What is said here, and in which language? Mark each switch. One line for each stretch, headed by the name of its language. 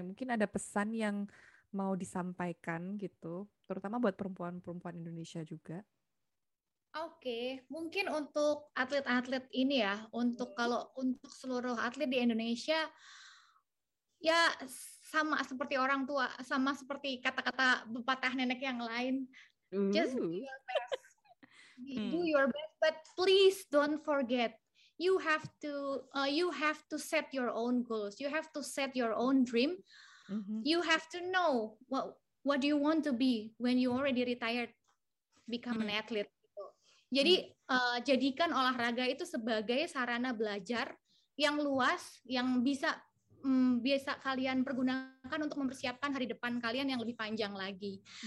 Indonesian: Mungkin ada pesan yang mau disampaikan gitu, terutama buat perempuan-perempuan Indonesia juga.
English: Okay.
Indonesian: Mungkin untuk atlet-atlet ini ya, untuk kalau untuk seluruh atlet di Indonesia, ya sama seperti orang tua, sama seperti kata-kata pepatah nenek yang lain.
English: Just do your best. Do your best, but please don't forget. You have to set your own goals. You have to set your own dream. You have to know what do you want to be when you already retired, become an athlete.
Indonesian: Jadi jadikan olahraga itu sebagai sarana belajar yang luas, yang bisa bisa kalian pergunakan untuk mempersiapkan hari depan kalian yang lebih panjang lagi.